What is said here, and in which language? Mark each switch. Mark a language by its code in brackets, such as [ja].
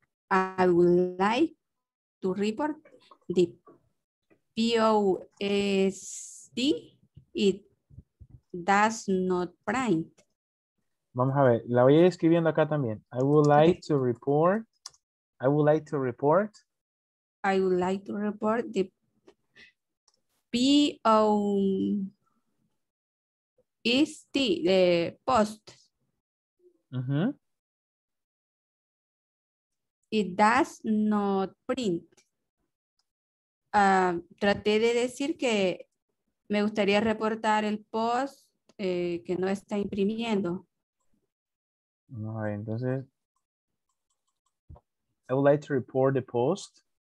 [en] I would like to report the POSD. It does not print. [es] Vamos a ver, la voy a ir escribiendo acá también. [en] I would like to report. I would like to report. I would like to report the POSD, the post. Uh-huh. It does not print. [es] Traté de decir que me gustaría reportar el post que no está imprimiendo. No, entonces, [en] I would like to report the post.